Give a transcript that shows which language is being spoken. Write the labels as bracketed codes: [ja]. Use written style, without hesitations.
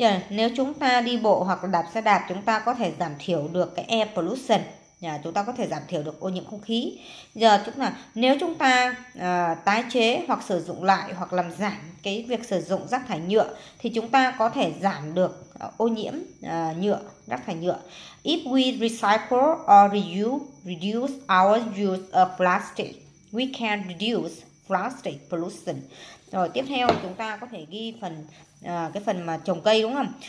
[vi] Nếu chúng ta đi bộ hoặc đạp xe đạp, chúng ta có thể giảm thiểu được cái [en] air pollution. [vi] chúng ta có thể giảm thiểu được ô nhiễm không khí. Giờ tức là nếu chúng ta tái chế hoặc sử dụng lại hoặc làm giảm cái việc sử dụng rác thải nhựa thì chúng ta có thể giảm được ô nhiễm nhựa, rác thải nhựa. [en] If we recycle or reduce our use of plastic, we can reduce plastic pollution. [vi] Rồi tiếp theo chúng ta có thể ghi phần cái phần mà trồng cây đúng không?